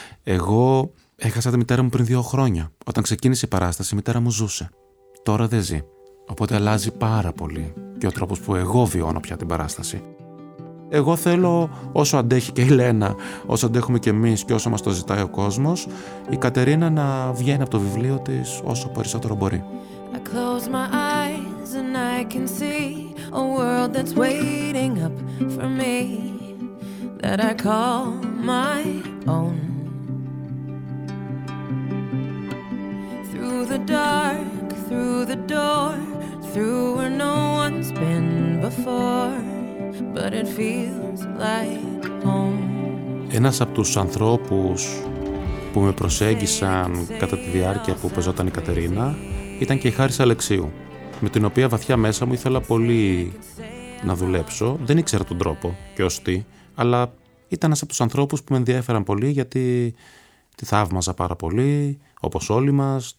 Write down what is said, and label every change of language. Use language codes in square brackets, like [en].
[el] Εγώ έχασα τη μητέρα μου πριν 2 χρόνια. Όταν ξεκίνησε η παράσταση, η μητέρα μου ζούσε. Τώρα δεν ζει. Οπότε αλλάζει πάρα πολύ και ο τρόπος που εγώ βιώνω πια την παράσταση. Εγώ θέλω, όσο αντέχει και η Λένα, όσο αντέχουμε και εμείς και όσο μας το ζητάει ο κόσμος, η Κατερίνα να βγαίνει από το βιβλίο της όσο περισσότερο μπορεί. [en] I close my eyes and I can see a world that's waiting up for me that I call my own. Through the dark, through the door, through where no one's been before. But it feels like home. [el] Ένας από τους ανθρώπους που με προσέγγισαν κατά τη διάρκεια που παίζονταν η Κατερίνα ήταν και η Χάρης Αλεξίου, με την οποία βαθιά μέσα μου ήθελα πολύ να δουλέψω. Δεν ήξερα τον τρόπο και ως τι, αλλά ήταν ένας από τους ανθρώπους που με ενδιέφεραν πολύ, γιατί τη θαύμαζα πάρα πολύ, όπως όλοι μας.